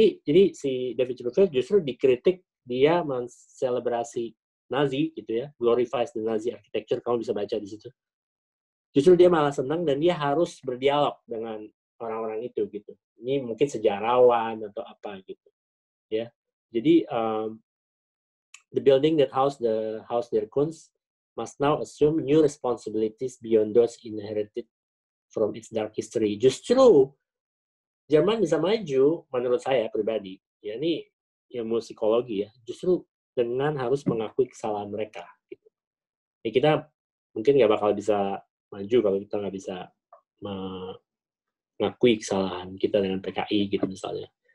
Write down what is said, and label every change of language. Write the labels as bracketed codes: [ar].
[id] Jadi si David Chipperfield justru dikritik dia menselebrasi Nazi gitu ya, [en] glorifies the Nazi architecture, [id] kamu bisa baca di situ. Justru dia malah senang dan dia harus berdialog dengan orang-orang itu gitu. Ini mungkin sejarawan atau apa gitu. Ya. [en] Jadi the building that house the Haus der Kunst must now assume new responsibilities beyond those inherited from its dark history. [id] Justru Jerman bisa maju menurut saya pribadi. Ya ini ilmu psikologi ya. Justru dengan harus mengakui kesalahan mereka. Gitu. Ya, kita mungkin nggak bakal bisa maju kalau kita nggak bisa mengakui kesalahan kita dengan PKI gitu misalnya.